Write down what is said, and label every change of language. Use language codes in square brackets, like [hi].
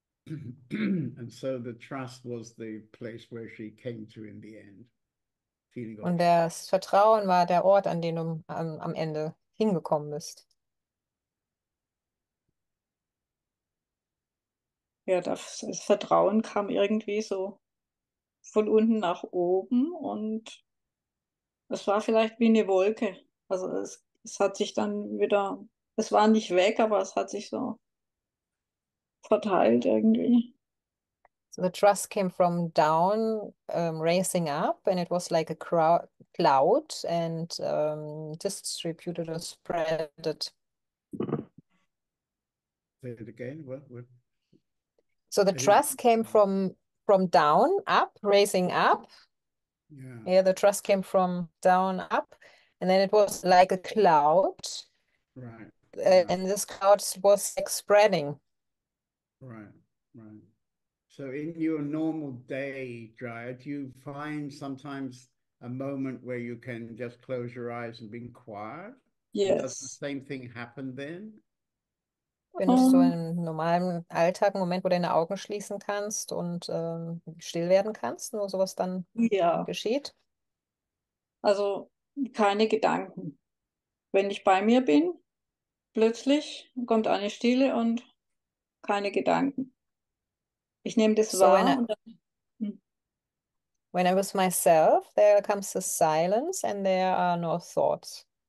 [en] And so the trust was the place where she came to in the end. [de] Und das Vertrauen war der Ort, an dem du am Ende hingekommen bist. Ja, das Vertrauen kam irgendwie so von unten nach oben und es war vielleicht wie eine Wolke. Also es hat sich dann wieder, es war nicht weg, aber es hat sich so verteilt irgendwie. [en] So the trust came from down, racing up, and it was like a cloud and distributed or spread it. Say it again. What? So the trust came from down up, racing up. Yeah, the trust came from down up, and then it was like a cloud. Right. And this cloud was like spreading. Right. So in your normal day, Jaya, do you find sometimes a moment where you can just close your eyes and be quiet? Does the Yes. same thing happen then? [de] Wenn du so im normalen Alltag einen Moment, wo deine Augen schließen kannst und still werden kannst, nur sowas dann Ja. geschieht. Also keine Gedanken. Wenn ich bei mir bin, plötzlich kommt eine Stille und keine Gedanken. Ich nehme das [en] So [de] wahr und dann. [en] when I was myself, there comes the silence and there are no thoughts.